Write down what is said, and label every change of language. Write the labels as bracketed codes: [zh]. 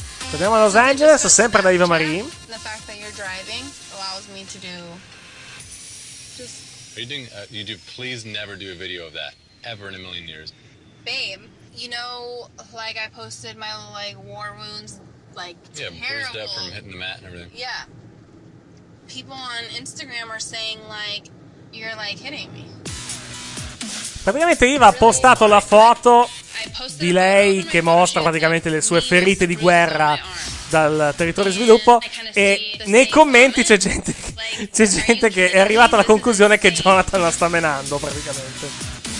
[it] Torniamo a Los Angeles, sempre da Eva Marie. [en] The fact that you're driving allows me to do. Are you doing? You do. Please never do a video of that ever in a million years. Babe. You know, like, I posted my, like, war wounds, like, yeah, terrible. Bruised up from hitting the mat and everything. Yeah. People on Instagram are saying, like, you're, like, hitting me. [it] Praticamente Eva ha postato la foto di lei che mostra praticamente le sue ferite di guerra dal territorio di sviluppo, e nei commenti c'è gente che è arrivata alla conclusione che Jonathan la sta menando praticamente.